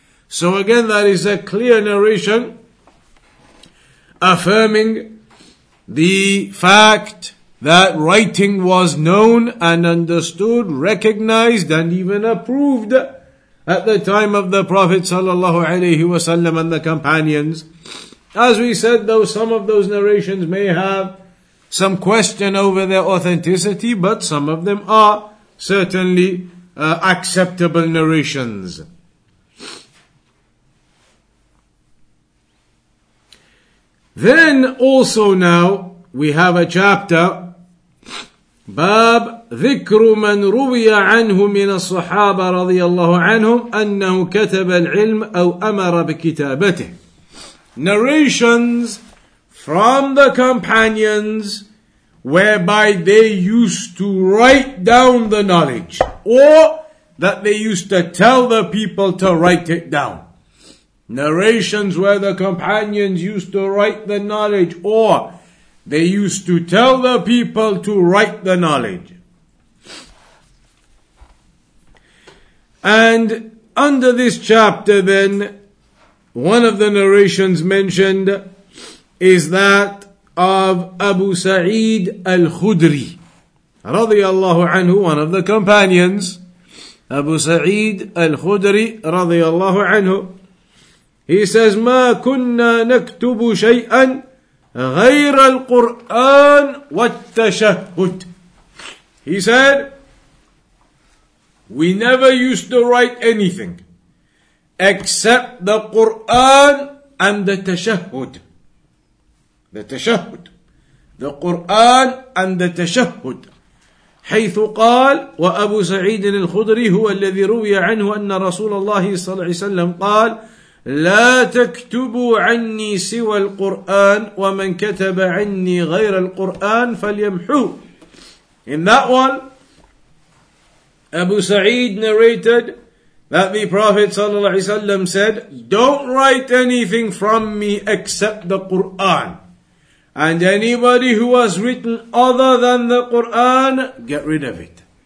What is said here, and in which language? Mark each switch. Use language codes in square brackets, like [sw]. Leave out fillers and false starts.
[en] So again, that is a clear narration affirming the fact that writing was known and understood, recognized and even approved at the time of the Prophet sallallahu alaihi wasallam and the companions. As we said, though, some of those narrations may have some question over their authenticity, but some of them are certainly acceptable narrations. Then also now we have a chapter, [ar] باب ذكر من روي عنه من الصحابة رضي الله عنهم أنه كتب العلم أو أمر بكتابته. [en] Narrations from the companions whereby they used to write down the knowledge, or that they used to tell the people to write it down. Narrations where the companions used to write the knowledge, or they used to tell the people to write the knowledge. And under this chapter then, one of the narrations mentioned is that of Abu Sa'id al-Khudri, radiallahu anhu, one of the companions. Abu Sa'id al-Khudri, radiallahu anhu. He says, [ar] "ما كنا نكتب شيئا غير القرآن والتشهد." [en] He said, "We never used to write anything except the Quran and the Tashahud." The Tashahud. The Quran and the Tashahud. [ar] حيث قال وأبو سعيد الخدري هو الذي روي عنه أن رسول الله صلى الله عليه وسلم قال لا تكتبوا عني سوى القرآن ومن كتب عني غير القرآن فليمحو. [en] In that one, Abu Sa'id narrated that the Prophet ﷺ said, "Don't write anything from me except the Quran. And anybody who has written other than the Quran, get rid of it."